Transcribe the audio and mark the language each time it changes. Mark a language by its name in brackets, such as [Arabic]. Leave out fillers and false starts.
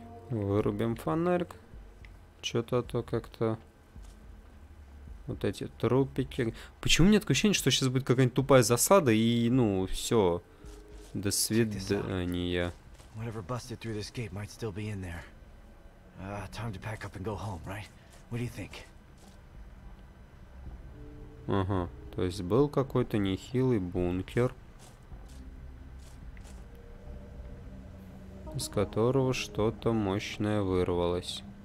[Russian] Вырубим фонарик. Что-то то как-то... Вот эти трупики... Почему у меня такое ощущение, что сейчас будет какая-нибудь тупая засада и, ну, все. До свидания. [English] Whatever busted through this gate might still be in there. Time to pack up and go home, right? What do you think? [Russian] Ага, то есть был какой-то нехилый бункер, из которого что-то мощное вырвалось.